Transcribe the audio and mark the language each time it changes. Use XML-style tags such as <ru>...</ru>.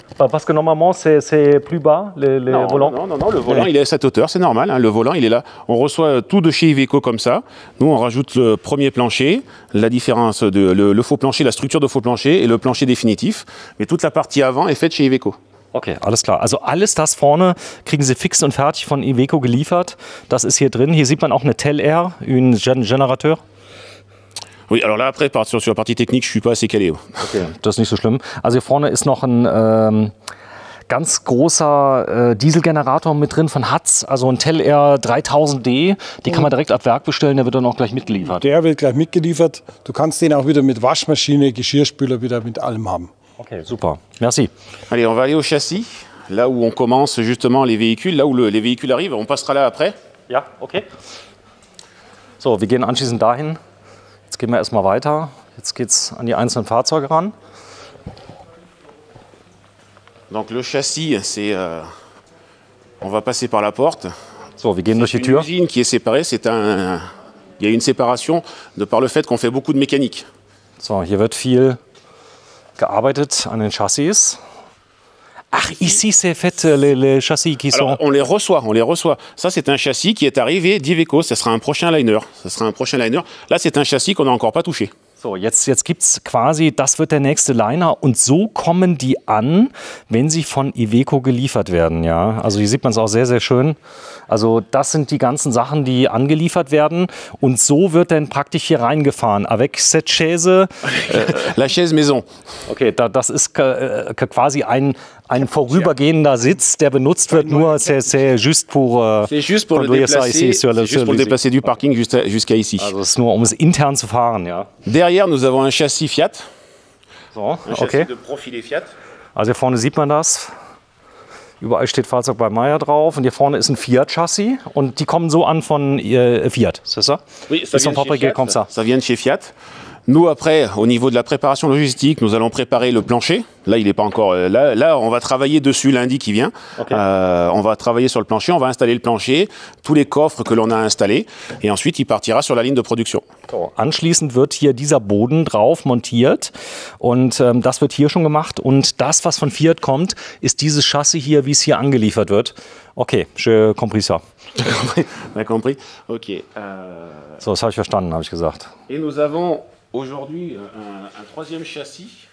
<fr>Parce que normalement c'est plus bas le volant. Non, le volant il est à cette hauteur, c'est normal, hein, le volant il est là. On reçoit tout de chez Iveco comme ça. Nous on rajoute le premier plancher, la différence de le faux plancher, la structure de faux plancher et le plancher définitif. Mais toute la partie avant est faite chez Iveco.</fr> <de>Ok, alles klar. Also alles das vorne kriegen Sie fix und fertig von Iveco geliefert. Das ist hier drin. Hier sieht man auch eine Tel-Air,</de> <fr>une générateur. Oui, alors là, après, sur la partie technique, je ne suis pas assez calé.</fr> <de>Ok, das ist nicht so schlimm. Also hier vorne ist noch ein ganz großer Dieselgenerator mit drin von Hatz, also ein Tel-Air 3000D. Den kann man direkt ab Werk bestellen, der wird dann auch gleich mitgeliefert. Der wird gleich mitgeliefert. Du kannst den auch wieder mit Waschmaschine, Geschirrspüler, wieder mit allem haben.</de> <fr>Okay, super. Merci. Allez, on va aller au châssis, là où on commence justement les véhicules, là où les véhicules arrivent. On passera là après.</fr> <de>Ja, okay. So, wir gehen anschließend dahin. Jetzt gehen wir erstmal weiter. Jetzt geht's an die einzelnen Fahrzeuge ran.</de> <fr>Donc le châssis, c'est on va passer par la porte.</fr> <de>So, wir gehen durch die Tür.</de> <fr>Une usine qui est séparée, c'est un il y a une séparation de par le fait qu'on fait beaucoup de mécanique.</fr> <de>So, hier wird viel gearbeitet an den Chassis.</de> <fr>Ach, ici c'est fait les châssis qui sont... Alors, on les reçoit. Ça, c'est un châssis qui est arrivé d'Iveco. Ce sera un prochain liner. Là, c'est un châssis qu'on n'a encore pas touché.</fr> <de>So, jetzt gibt es quasi, das wird der nächste Liner und so kommen die an, wenn sie von Iveco geliefert werden. Ja? Also hier sieht man es auch sehr, sehr schön. Also das sind die ganzen Sachen, die angeliefert werden und so wird dann praktisch hier reingefahren.</de> <fr>Avec cette chaise. La chaise maison.</fr> <de>Okay, das ist quasi ein vorübergehender Sitz, der benutzt wird, nur</de> <fr>c'est juste pour déplacer du parking jusqu'à ici.</fr> <de>Also es ist nur, um es intern zu fahren, ja.</de> <fr>Derrière, nous avons un châssis Fiat.</fr> <de>So, okay.</de> <fr>De profilé Fiat.</fr> <de>Also hier vorne sieht man das. Überall steht Fahrzeug bei Meyer drauf. Und hier vorne ist ein Fiat-Chassis. Und die kommen so an von Fiat,</de> <fr>c'est ça? Oui, ça vient de chez Fiat. Ça vient de chez Fiat. Nous, après, au niveau de la préparation logistique, nous allons préparer le plancher. Là, il n'est pas encore... Là, on va travailler dessus lundi qui vient. Okay. On va travailler sur le plancher, on va installer le plancher, tous les coffres que l'on a installés. Et ensuite, il partira sur la ligne de production.</fr> <de>So, anschließend wird hier dieser Boden drauf montiert. Und das wird hier schon gemacht. Und das, was von Fiat kommt, ist dieses Chassis hier, wie es hier angeliefert wird.</de> <fr>Okay, j'ai compris ça. J'ai compris. Okay.</fr> <de>So, das habe ich verstanden, habe ich gesagt.</de> <fr>Et nous avons... Aujourd'hui, un troisième châssis.</fr>